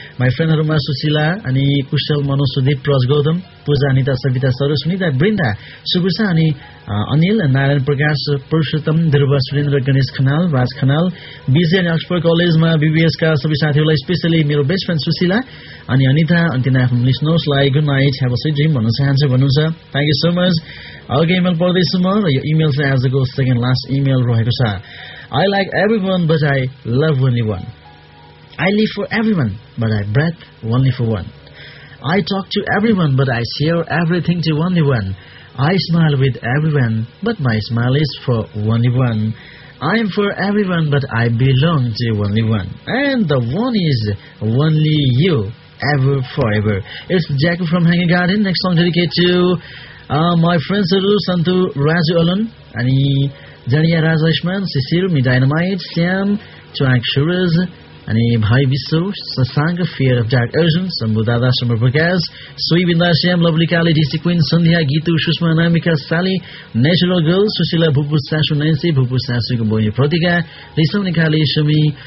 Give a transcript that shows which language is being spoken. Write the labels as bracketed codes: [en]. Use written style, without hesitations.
[ne] My फ्रेन्डहरूमा Sushila अनि कुशल मनोज सुदीप प्रज गौतम पूजा Anita Savita sir Sunita Vrinda सुभूषा अनि अनिल नारायण प्रकाश पुरुषोत्तम ध्रुव सुरेन्द्र गणेश खनाल राज खनाल विजय अनि अक्सफोर्ड कलेजमा बीबीएसका सबै साथीहरूलाई स्पेसली मेरो बेस्ट फ्रेन्ड सुशीला अनि अनिता अनि तिना आफ्नो लिस्नर्सलाई good night have a sweet dream भन्न चाहन्छु भन्नुहुन्छ. Thank you so much. अर्को इमेल पढ्दैछु म, र यो इमेल चाहिँ आजको सेकेन्ड लास्ट इमेल रहेको छ. [en] I like everyone but I love only one. I live for everyone but I breathe only for one. I talk to everyone but I share everything to only one. I smile with everyone but my smile is for only one. I am for everyone but I belong to only one. And the one is only you, ever forever. It's Jack from Hanging Garden. Next song dedicated to my friends Saru, Santu, Raju Alan and he जनिया राज लक्ष्मण शिशिर मि dynamite Shyam Chuwang Suraj अनि भाइ Bishwa Sasang fear of dog Arjun Shambhu दादा शम्भु प्रकाश सोई Binda Shyam lovely Kali DC queen Sandhya Gitu Sushma Namika साली natural girl Sushila Bhupur सासु Nancy Bhupur सासुको बहिनी प्रतिका रिसाउने काली सुमी